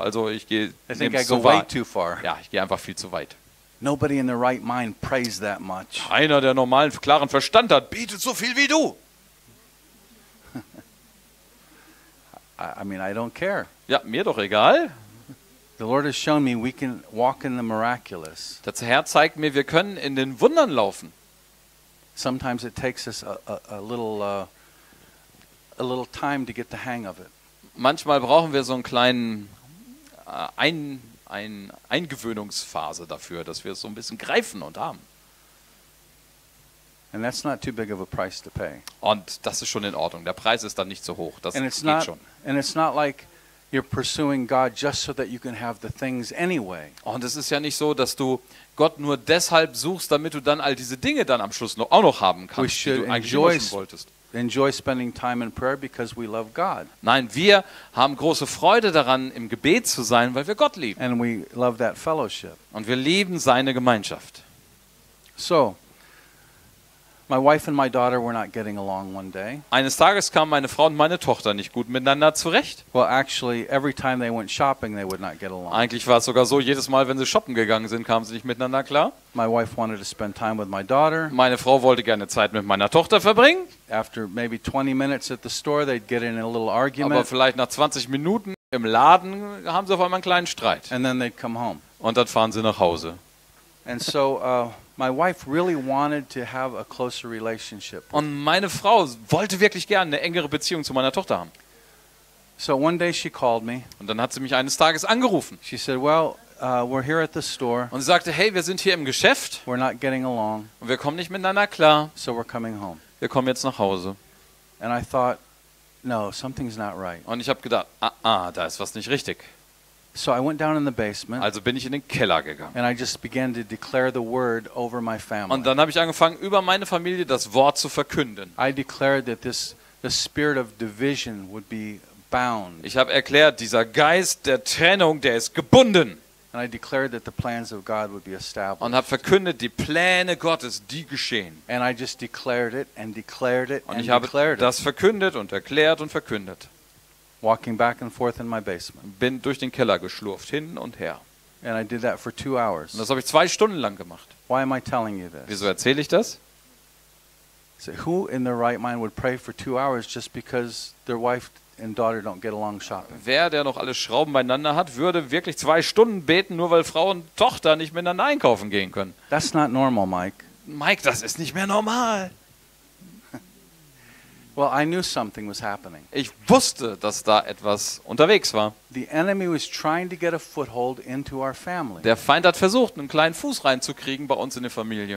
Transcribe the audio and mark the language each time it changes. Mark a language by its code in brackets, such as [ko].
[de] Also ich gehe. [en] I think I go way too far. [de] Ja, ich gehe einfach viel zu weit. [en] Nobody in their right mind prays that much. [de] Keiner, der normalen, klaren Verstand hat, betet so viel wie du. [en] I mean, I don't care. [de] Ja, mir doch egal. [en] The Lord has shown me we can walk in the miraculous. [de] Das Herr zeigt mir, wir können in den Wundern laufen. [en] Sometimes it takes us a little time to get the hang of it. [de] Manchmal brauchen wir so einen kleinen eine Eingewöhnungsphase dafür, dass wir es so ein bisschen greifen und haben. [en] And that's not too big of a price to pay. [de] Und das ist schon in Ordnung. Der Preis ist dann nicht so hoch. Das geht schon. [en] And it's not like you're pursuing God just so that you can have the things anyway. [de] Und es ist ja nicht so, dass du Gott nur deshalb suchst, damit du dann all diese Dinge dann am Schluss noch, auch noch haben kannst, die du eigentlich wissen wolltest. [en] Enjoy spending time in prayer because we love God. [de] Nein, wir haben große Freude daran, im Gebet zu sein, weil wir Gott lieben. [en] And we love that fellowship. [de] Und wir lieben seine Gemeinschaft. [en] So, my wife and my daughter were not getting along one day. [de] Eines Tages kamen meine Frau und meine Tochter nicht gut miteinander zurecht. [en] Well, actually, every time they went shopping, they would not get along. [de] Eigentlich war es sogar so, jedes Mal, wenn sie shoppen gegangen sind, kamen sie nicht miteinander klar. [en] My wife wanted to spend time with my daughter. [de] Meine Frau wollte gerne Zeit mit meiner Tochter verbringen. [en] After maybe 20 minutes at the store, they'd get in a little argument. [de] Aber vielleicht nach 20 Minuten im Laden haben sie auf einmal einen kleinen Streit. [en] And then they'd come home. [de] Und dann fahren sie nach Hause. [en] And so my wife really wanted to have a closer relationship. [de] Und meine Frau wollte wirklich gerne eine engere Beziehung zu meiner Tochter haben. [en] So one day she called me. [de] Und dann hat sie mich eines Tages angerufen. [en] She said, "Well, we're here at the store." [de] Und sie sagte, "Hey, wir sind hier im Geschäft. [en] We're not getting along." [de] Und wir kommen nicht miteinander klar. [en] So we're coming home. [de] Wir kommen jetzt nach Hause. [en] And I thought, "No, something's not right." [de] Und ich habe gedacht, "Ah, da ist was nicht richtig." [en] So I went down in the basement. [de] Also bin ich in den Keller gegangen. [en] And I just began to declare the word over my family. [de] Und dann habe ich angefangen, über meine Familie das Wort zu verkünden. [en] I declared that the spirit of division would be bound. [de] Ich habe erklärt, dieser Geist der Trennung, der ist gebunden. [en] And I declared that the plans of God would be established. [de] Und habe verkündet, die Pläne Gottes, die geschehen. [en] And I just declared it and declared it and declared it. [de] Und ich habe das verkündet und erklärt und verkündet. [en] Walking back and forth in my basement. [de] Bin durch den Keller geschlurft, hin und her. [en] And I did that for 2 hours. [de] Und das habe ich 2 Stunden lang gemacht. [en] Why am I telling you this? [de] Wieso erzähle ich das? [en] So who in their right mind would pray for 2 hours just because their wife and daughter don't get along shopping? [de] Wer, der noch alle Schrauben beieinander hat, würde wirklich 2 Stunden beten, nur weil Frau und Tochter nicht miteinander einkaufen gehen können? [en] That's not normal, Mike. [de] Mike, das ist nicht mehr normal. [en] Well, I knew something was happening. [de] Ich wusste, dass da etwas unterwegs war. [en] The enemy was trying to get a foothold into our family. [de] Der Feind hat versucht, einen kleinen Fuß reinzukriegen bei uns in der Familie.